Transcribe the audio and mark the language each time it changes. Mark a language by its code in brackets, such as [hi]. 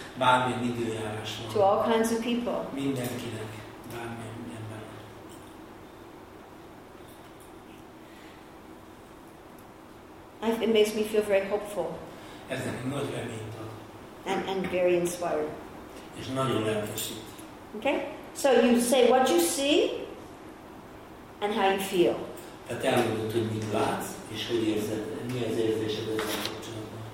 [hu] Bármilyen időjárásban. [en] To all kinds of people. [hu] Mindenkinek. Bármilyen. [en] It makes me feel very hopeful. [hu] Ez nekem nagy reményt ad. [en] And very inspired. [hu] És nagyon reménység. [en] Okay? So you say what you see and how you feel. [hu] Tehát elmondod, hogy mit látsz, és hogy érzed, mi az érzésed ezzel kapcsolatban.